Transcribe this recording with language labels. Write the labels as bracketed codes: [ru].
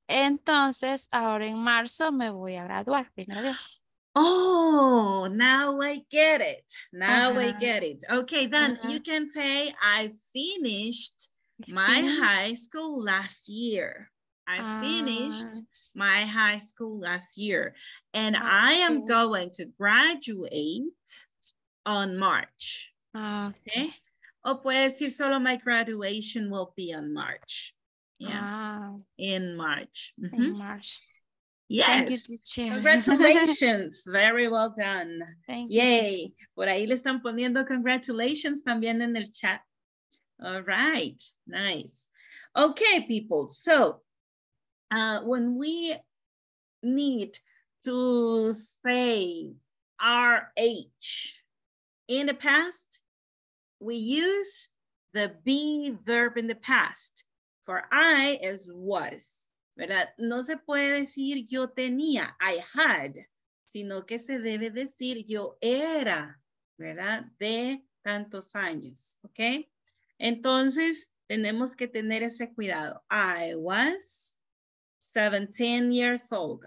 [es] Entonces, ahora en marzo me voy a graduar, primero Dios. [en] Oh, now I get it. Now I get it. Okay, then you can say, I finished my high school last year. I finished my high school last year. And I am going to graduate on March. Okay. [es] O puede decir solo [en] my graduation will be on March. Yeah. In March. Mm-hmm. In March. Yes. Thank you, congratulations. Very well done. Thank Yay. You. Yay. [es] Por ahí le están poniendo congratulations también en el chat. [en] All right. Nice. Okay, people. So, when we need to say RH in the past, we use the be verb in the past. For I is was. [es] ¿Verdad? No se puede decir yo tenía, [en] I had, [es] sino que se debe decir yo era, ¿verdad? De tantos años, ¿ok? Entonces, tenemos que tener ese cuidado. [en] I was 17 years old.